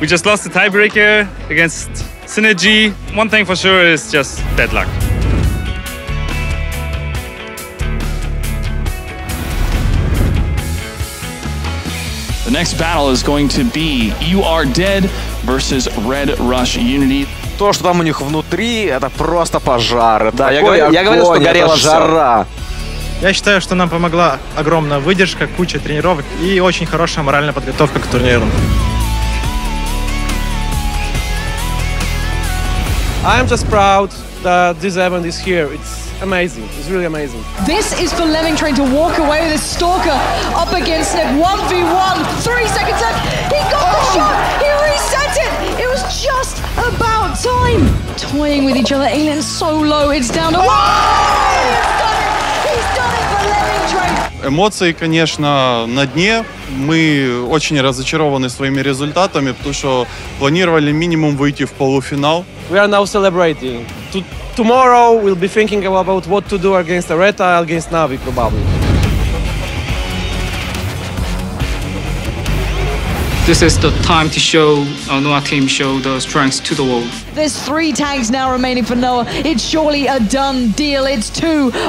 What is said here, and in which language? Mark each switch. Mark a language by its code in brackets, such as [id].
[en] We just lost the tiebreaker against Synergy. One thing for sure is just bad luck. The next battle is going to be You Are Dead versus Red Rush Unity. [ru] То, что там у них внутри, это просто пожар. Это да, я говорил, что горела жара. Я считаю, что нам помогла огромная выдержка, куча тренировок и очень хорошая моральная подготовка к турниру. [en] I'm just proud that this event is here. It's amazing. It's really amazing. This is for Lemming Train to walk away with a Stalker up against Snip 1v1. 3 seconds left. He got the shot. He reset it. It was just about time. Toying with each other. Alien so low. It's down to one. He's done it. He's done it for Lemming Train. [ru] Эмоции, конечно, на дне. Мы очень разочарованы своими результатами, потому что планировали минимум выйти в полуфинал. [en] We are now celebrating. Tomorrow we'll be thinking about what to do against Aretha, against Na'Vi, probably. This is the time to show Noah team, show the strengths to the world. There's 3 tags now remaining for Noah. It's surely a done deal. It's 2.